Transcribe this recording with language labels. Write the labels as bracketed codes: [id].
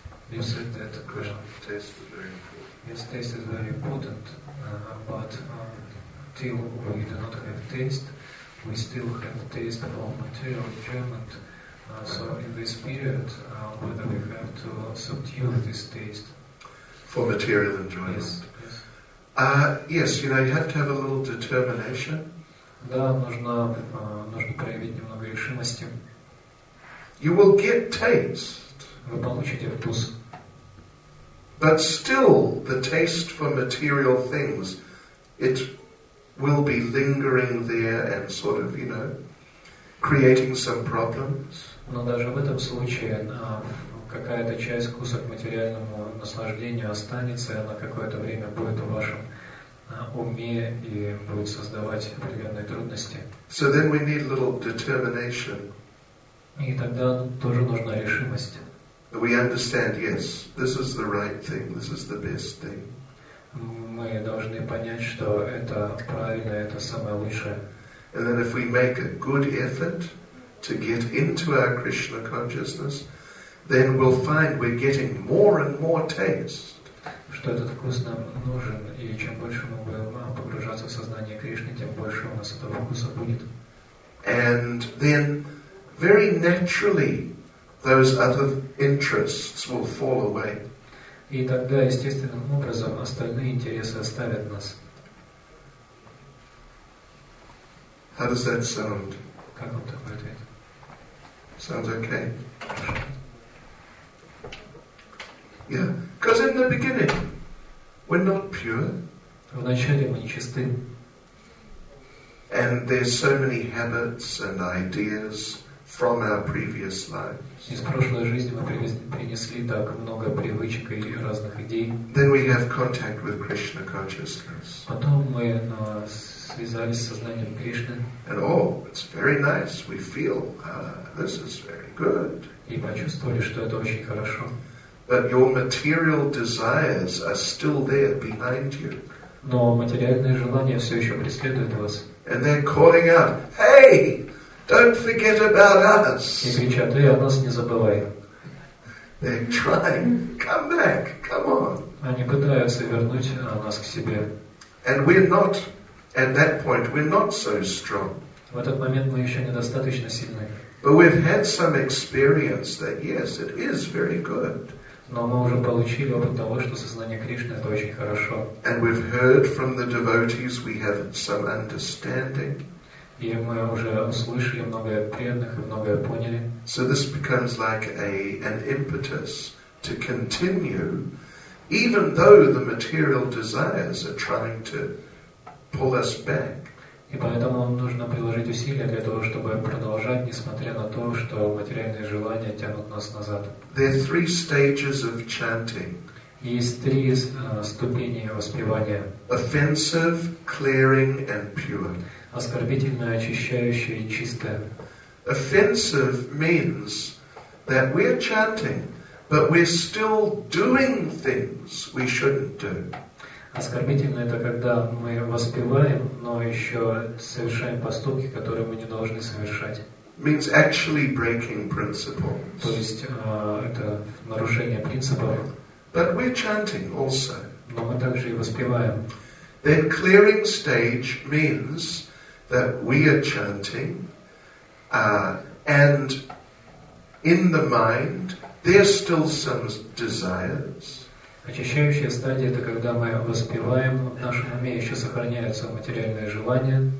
[en] You said that yes, taste is very important, but till we do not have taste, we still have taste of all material enjoyment. So in this period, whether we have to subdue this taste for material enjoyment? Yes. Yes, you know, you have to have a little determination. [ru] Да, нужно нужно проявить немного решимости. [en] You will get taste. [ru] Вы получите вкус. [en] But still, the taste for material things, it will be lingering there and sort of, you know, creating some problems. [ru] Но даже в этом случае какая-то часть вкуса к материальному наслаждению останется, и она какое-то время будет в вашем уме и будет создавать определенные трудности. [en] So then we need a little determination. [ru] И тогда тоже нужна решимость. [en] We understand, yes, this is the right thing, this is the best thing. [ru] Мы должны понять, что это правильно, это самое лучшее. [en] And then if we make a good effort to get into our Krishna consciousness, then we'll find we're getting more and more taste. [ru] Что этот вкус нам нужен, и чем больше мы будем погружаться в сознание Кришны, тем больше у нас этого вкуса будет. [en] And then, very naturally, those other interests will fall away. [ru] И тогда естественным образом остальные интересы оставят нас. [en] How does that sound? [ru] Как вам такой ответ? [en] Sounds okay. Yeah, because in the beginning, we're not pure. [ru] Вначале мы нечисты. [en] And there's so many habits and ideas from our previous lives. [ru] Из прошлой жизни мы принесли так много привычек и разных идей. [en] Then we have contact with Krishna consciousness. [ru] Потом мы связались с сознанием Кришны. [en] And oh, it's very nice. We feel this is very good. [ru] И почувствовали, что это очень хорошо. [en] But your material desires are still there behind you. [ru] Но материальные желания все еще преследуют вас. [en] And they're calling out, "Hey, don't forget about us!" [ru] И кричат, "Эй, о нас не забывай!" [en] They're trying, "Come back, come on!" [ru] Они пытаются вернуть нас к себе. [en] And we're not, at that point, we're not so strong. [ru] В этот момент мы еще недостаточно сильны. [en] But we've had some experience that, yes, it is very good. [ru] Но мы уже получили опыт того, что сознание Кришны это очень хорошо. [en] And we've heard from the devotees, we have some understanding. [ru] И мы уже услышали многое преданных и многое поняли. [en] So this becomes like an impetus to continue, even though the material desires are trying to pull us back. [ru] И поэтому нужно приложить усилия для того, чтобы продолжать, несмотря на то, что материальные желания тянут нас назад. [en] There are three stages of chanting. [ru] Есть три ступени воспевания. [en] Offensive, clearing and pure. [ru] Оскорбительное, очищающее и чистое. [en] Offensive means that we're chanting, but we're still doing things we shouldn't do. [ru] Оскорбительное — это когда мы воспеваем, но еще совершаем поступки, которые мы не должны совершать. [en] Means actually breaking principles. [ru] То есть это нарушение принципов. [en] But we're chanting also. [ru] Но мы также и воспеваем. [en] Then clearing stage means that we are chanting, and in the mind there's still some desires. [ru] Очищающая стадия — это когда мы воспеваем, в нашем уме еще сохраняются материальные желания,